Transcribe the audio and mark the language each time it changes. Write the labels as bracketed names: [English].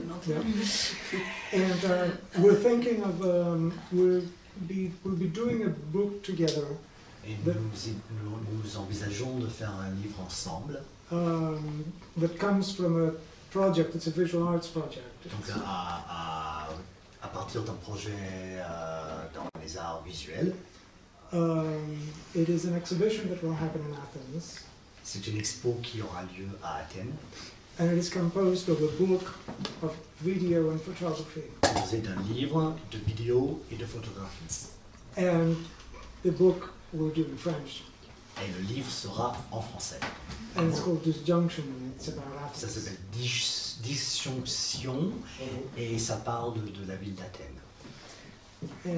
[English] And we're thinking of we'll be doing a book together. [French] Et nous envisageons de faire un livre ensemble. [English] That comes from a project. It's a visual arts project. [French] Donc à partir d'un projet dans les arts visuels. [English] It is an exhibition that will happen in Athens. [French] C'est une expo qui aura lieu à Athènes. [English] And it is composed of a book of video and photography. [French] C'est un livre de vidéo et de photographie. [English] And the book will be in French. [French] Et le livre sera en français. [English] And it's called Disjunction, and it's about Athens. [French] Ça s'appelle Disjunction, et ça parle de la ville d'Athènes.